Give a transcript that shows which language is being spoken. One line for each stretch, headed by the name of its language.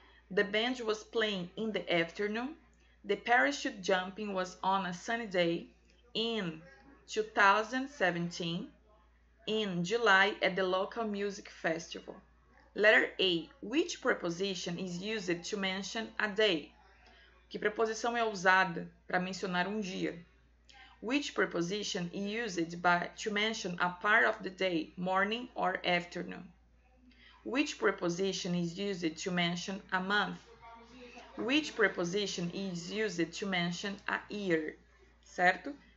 English: The band was playing in the afternoon. The parachute jumping was on a sunny day in 2017. In July at the local music festival. Letter A. Which preposition is used to mention a day?
Portuguese: Que preposição é usada para mencionar um dia?
English: Which preposition is used to mention a part of the day, morning or afternoon? Which preposition is used to mention a month? Which preposition is used to mention a year?
Portuguese: Certo?